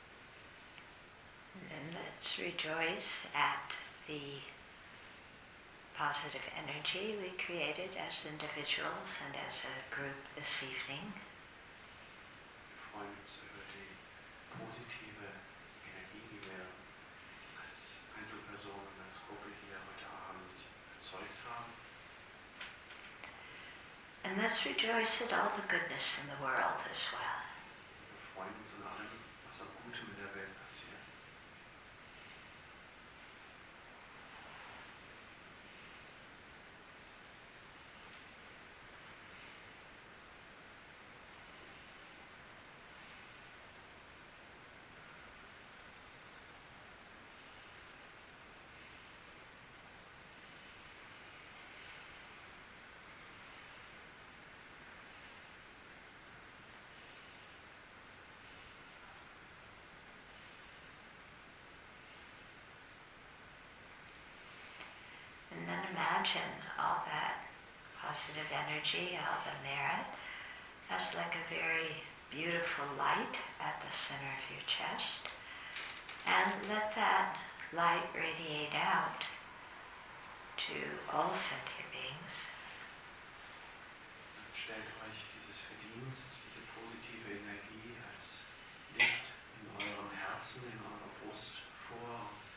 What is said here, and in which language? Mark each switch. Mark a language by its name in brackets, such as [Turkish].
[English] hearts rejoice at the positive energy we created as individuals and as a group this evening. [German] Freuen uns über die positive Energie, die wir als Einzelperson und als Gruppe hier heute Abend erzeugt haben. [English] And let's rejoice at all the goodness in the world as well. [German] Wir freuen uns an allem, was an Gutem in der Welt passiert. [English] Imagine all that positive energy, all the merit, as like a very beautiful light at the center of your chest. And let that light radiate out to all sentient beings. [German] Stellt euch dieses Verdienst, diese positive Energie als Licht in eurem Herzen, in eurer Brust vor.